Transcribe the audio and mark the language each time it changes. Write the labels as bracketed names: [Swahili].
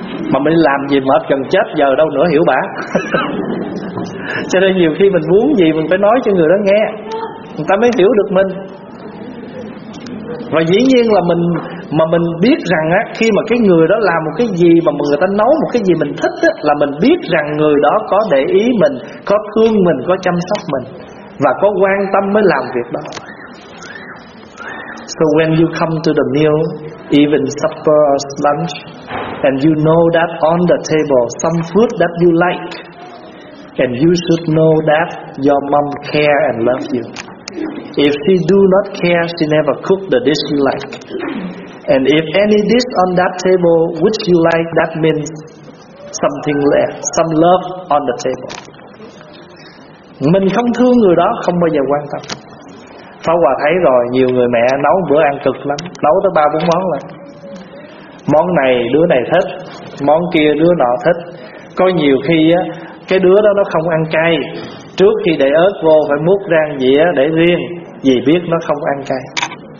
[Vietnamese] Mà mình làm gì mệt gần chết, giờ đâu nữa hiểu bà. Cho nên nhiều khi mình muốn gì mình phải nói cho người đó nghe, người ta mới hiểu được mình. Và dĩ nhiên là mình, mà mình biết rằng á, khi mà cái người đó làm một cái gì, mà người ta nấu một cái gì mình thích á, là mình biết rằng người đó có để ý mình, có thương mình, có chăm sóc mình, và có quan tâm mới làm việc đó. [English] So when you come to the meal, even supper or lunch, and you know that on the table some food that you like, and you should know that your mom care and love you. If she do not care, she never cook the dish you like. And if any dish on that table which you like, that means something left, some love on the table. [Vietnamese] Mình không thương người đó không bao giờ quan tâm. Pháp Hòa thấy rồi, nhiều người mẹ nấu bữa ăn cực lắm, nấu tới 3-4 món lận. Món này đứa này thích, món kia đứa nọ thích. Có nhiều khi á, cái đứa đó nó không ăn cay, trước khi để ớt vô phải múc rang dĩa để riêng, vì biết nó không ăn cay.